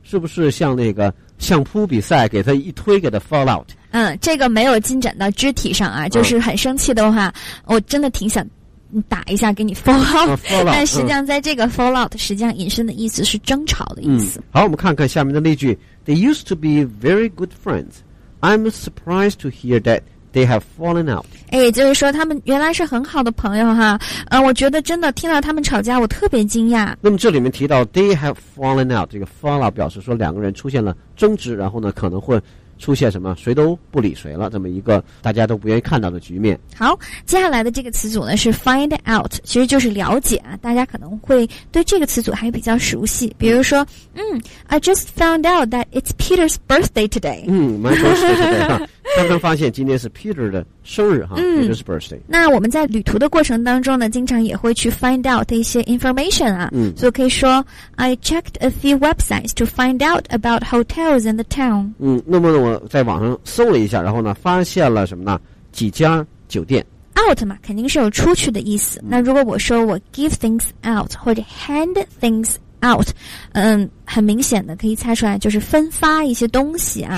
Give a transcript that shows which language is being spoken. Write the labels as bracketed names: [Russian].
[Chinese] 是不是像那个相扑比赛给他一推给他 fall out。嗯，这个没有进展到肢体上啊，就是很生气的话、嗯、我真的挺想打一下给你 fall out、 [English] fall out， [Chinese] 但实际上在这个 fall out、实际上引申的意思是争吵的意思、嗯、好，我们看看下面的例句。 [English] They used to be very good friends. I'm surprised to hear thatThey have fallen out. [Chinese] 哎，就是说他们原来是很好的朋友哈。我觉得真的听到他们吵架，我特别惊讶。那么这里面提到 [English] they have fallen out， [Chinese] 这个 fall out 表示说两个人出现了争执，然后呢可能会出现什么谁都不理谁了，这么一个大家都不愿意看到的局面。好，接下来的这个词组呢是 find out， 其实就是了解啊。大家可能会对这个词组还比较熟悉，比如说 [English] I just found out that it's Peter's birthday today。 [Chinese] 嗯，蛮合适的哈。刚刚发现今天是 Peter 的生日哈、嗯、 [English] ，Peter's birthday。 [Chinese] 那我们在旅途的过程当中呢，经常也会去 find out 一些 information 啊，嗯，所以可以说 [English] I checked a few websites to find out about hotels in the town。 [Chinese] 嗯，那么我在网上搜了一下，然后呢，发现了什么呢？几家酒店。 out 嘛，肯定是有出去的意思。那如果我说我 [English] give things out [Chinese] 或者 [English] hand things out， [Chinese] 嗯，很明显的可以猜出来就是分发一些东西啊。